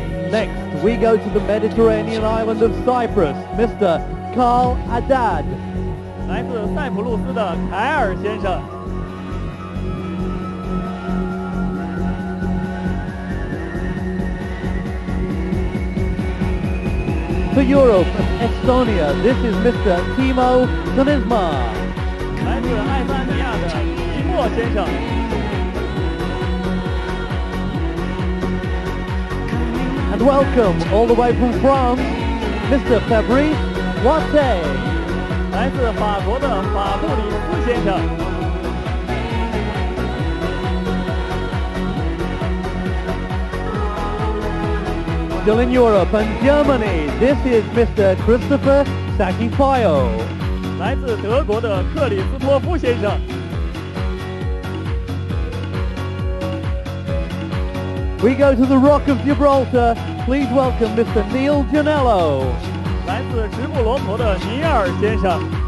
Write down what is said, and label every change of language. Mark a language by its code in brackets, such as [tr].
[en] Next, we go to the Mediterranean island of Cyprus, Mr. Carl Haddad. [zh] 来自塞浦路斯的凯尔先生。 [en] To Europe, Estonia, this is Mr. Timo Tanisma. [zh] 来自爱沙尼亚的提莫先生。 [en] And welcome, all the way from France, Mr. Fabrice Wattez. [zh] 来自法国的法布里斯先生。 [en] still in Europe and Germany, this is Mr. Christopher Sakifio. [zh] 来自德国的克里斯托夫先生。 [en] We go to the Rock of Gibraltar. Please welcome Mr. Neil Janello. [zh] 来自直布罗陀的尼尔先生。